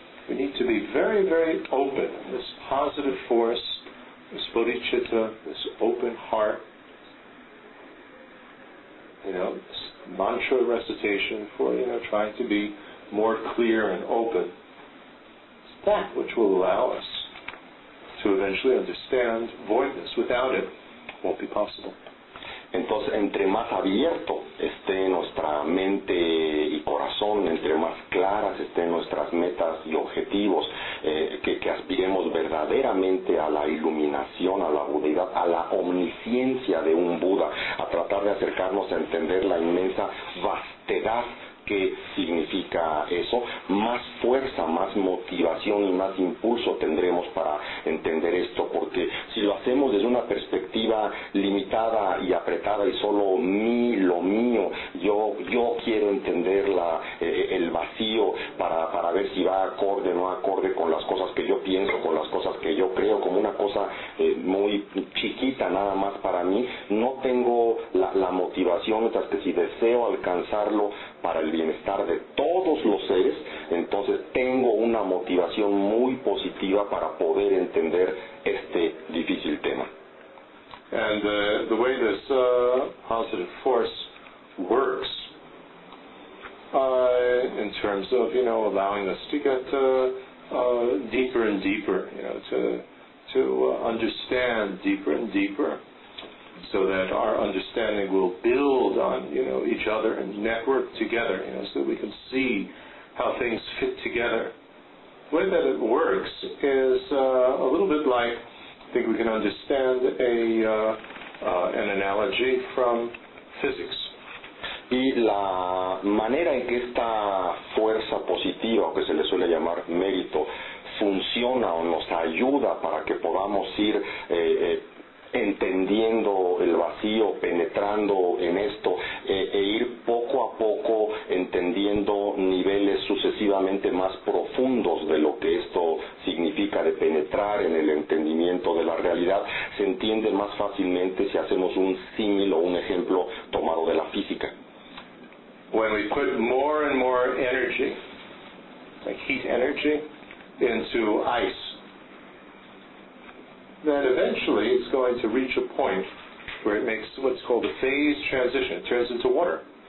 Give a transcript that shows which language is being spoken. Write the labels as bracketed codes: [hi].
[en] We need to be very, very open, this positive force, this bodhicitta, this open heart, you know, this mantra recitation for, you know, trying to be more clear and open. It's that which will allow us to eventually understand voidness. Without it, won't be possible. [es] Entonces, entre más abierto esté nuestra mente y corazón, entre más claras estén nuestras metas y objetivos, que aspiremos verdaderamente a la iluminación, a la budeidad, a la omnisciencia de un Buda, a tratar de acercarnos a entender la inmensa vastedad que significa eso, más fuerza, más motivación y más impulso tendremos para entender esto, porque si lo hacemos desde una perspectiva limitada y apretada y solo mí, lo mío, yo quiero entender el vacío para ver si va acorde o no acorde con las cosas que yo pienso, con las cosas que yo creo, como una cosa muy chiquita nada más para mí, no tengo la motivación, mientras que si deseo alcanzarlo para el bienestar de todos los seres, entonces tengo una motivación muy positiva para poder entender este difícil tema. [en] And the way this positive force works in terms of, you know, allowing us to get deeper and deeper, you know, to understand deeper and deeper, so that our understanding will build on, you know, each other and network together, you know, so that we can see how things fit together. The way that it works is a little bit like, I think we can understand an analogy from physics. [es] Y la manera en que esta fuerza positiva, que se le suele llamar mérito, funciona o nos ayuda para que podamos ir entendiendo el vacío, penetrando en esto, e ir poco a poco entendiendo niveles sucesivamente más profundos de lo que esto significa, de penetrar en el entendimiento de la realidad, se entiende más fácilmente si hacemos un símil o un ejemplo tomado de la física. [en] When we put more and more energy, like heat energy, into ice, then eventually it's going to reach a point where it makes what's called a phase transition. It turns into water.